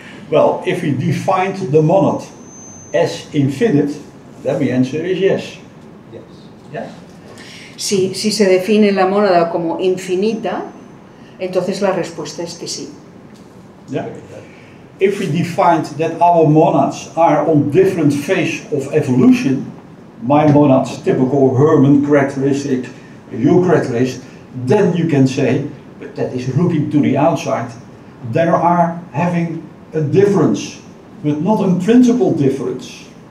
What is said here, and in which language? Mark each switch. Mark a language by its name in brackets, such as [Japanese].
[English] Well, if we define the monad as infinite, then the answer is yes. [Spanish] Si se define la mónada como infinita, entonces la respuesta es que sí. [English] Yeah. If we define that our monads are on different phase of evolution, my monads typical Hermann characteristic, your characteristic, then you can say, but that is looking to the outside, there are having a difference, but not a principal difference.